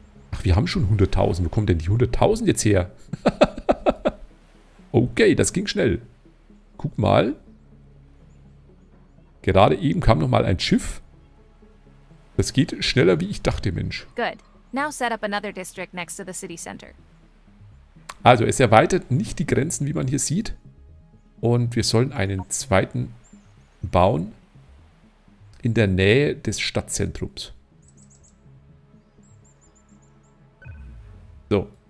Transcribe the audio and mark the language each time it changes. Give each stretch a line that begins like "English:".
German: Ach, wir haben schon 100.000. Wo kommen denn die 100.000 jetzt her? Okay, das ging schnell. Guck mal. Gerade eben kam noch mal ein Schiff. Das geht schneller, wie ich dachte, Mensch.
English: Good. Now set up another district next to the city center.
German: Also, es erweitert nicht die Grenzen, wie man hier sieht. Und wir sollen einen zweiten bauen in der Nähe des Stadtzentrums. So.